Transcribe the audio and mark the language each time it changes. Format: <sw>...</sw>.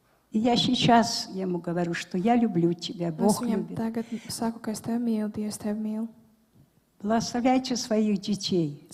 <ru>И я сейчас ему говорю, что я люблю тебя, Бог любит.</ru> <lv>Es viņam tagad saku, ka es tevi mīlu, Dievs tevi mīlu.</lv> <ru>Благословляйте своих детей.</ru>